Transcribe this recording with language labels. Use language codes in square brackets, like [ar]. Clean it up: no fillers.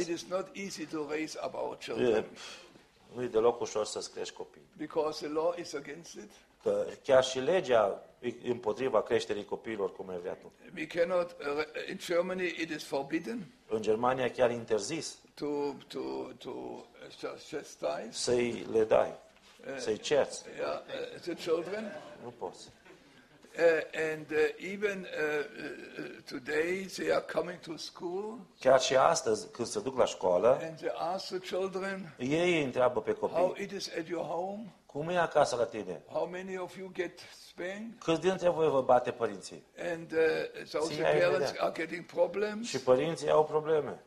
[en] it is not easy to raise up our children. [ro] Nu e deloc ușor să-ți crești copii. [en] Because the law is against it. [ro] Că chiar și legea împotriva creșterii copiilor cum ai vrea tu. [en] We cannot, in Germany it is forbidden. [ro] În Germania chiar interzis. [en] To [ro] să-i le dai, să-i cerți. [en] The children. [ro] Nu poți. [en] And even today they are coming to school. [ro] Chiar și astăzi când se duc la școală. [en] And they ask the children. [ro] Ei întreabă pe copii. [en] How it is at your home? [ro] Cum e acasă la tine? [en] How many of you get spanked? [ro] Câți dintre voi vă bate părinții? [en] And so the parents are getting problems. [ro] Și părinții au probleme.